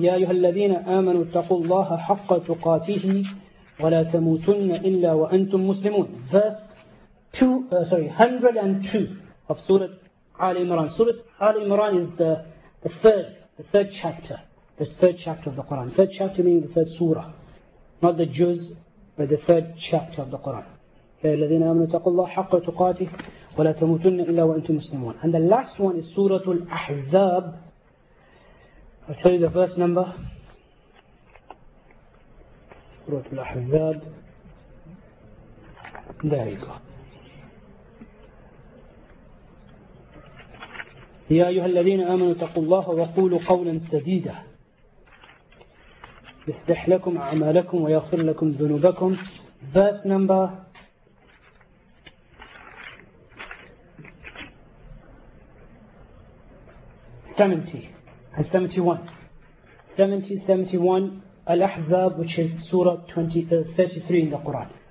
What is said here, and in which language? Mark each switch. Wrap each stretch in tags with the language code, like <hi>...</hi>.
<ar>يا أيها الذين آمنوا اتقوا الله حق تقاته ولا تموتن إلا وأنتم مسلمون.</ar> <en>Verse 102 of Surah Al-Imran. Surah Al-Imran is the third chapter. The third chapter of the Quran. Third chapter meaning the third surah. Not the juz, but the third chapter of the Quran.</en> <ar>الَّذِينَ آمَنُوا تَقُوا اللَّهَ حَقَّ تُقَاتِهِ وَلَا تَمُوتُنَّ إِلَّا وَأَنْتُمْ مُسْلِمُونَ.</ar> <en>And the last one is Surah Al-Ahzab. I'll tell you the verse number. Surah Al-Ahzab. There you go.</en> <ar>يا أيها الذين آمنوا تقوا الله وقولوا قولا سديدا يصلح لكم أعمالكم ويغفر لكم ذنوبكم.</ar> <en>Verse number 70 and 71 Al-Ahzab, which is Surah 33 in the Quran.</en>